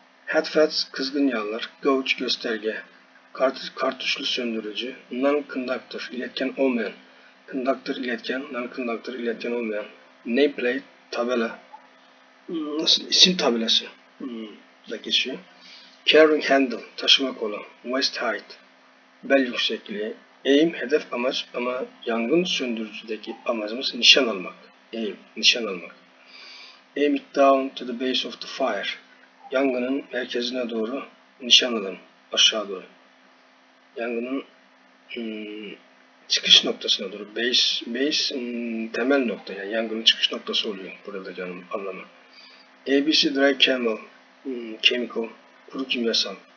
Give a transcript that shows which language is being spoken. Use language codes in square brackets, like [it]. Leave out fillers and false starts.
[tr] Head fats, kızgın yağlar, gauge, gösterge, kartuşlu söndürücü, non-conductor, iletken olmayan, conductor, iletken, non-conductor, iletken olmayan, nameplate, tabela, nasıl, isim tabelası da geçiyor. Carrying handle, taşıma kolu, waist height, bel yüksekliği, aim, hedef, amaç ama yangın söndürücüdeki amacımız nişan almak, aim, nişan almak. [en] Aim it down to the base of the fire. [tr] Yangının merkezine doğru nişan alın, aşağı doğru. Yangının çıkış noktasına doğru, base temel nokta, yani yangının çıkış noktası oluyor burada canım anlamı. [en] ABC dry camel, chemical, [tr] kuru kimyasal.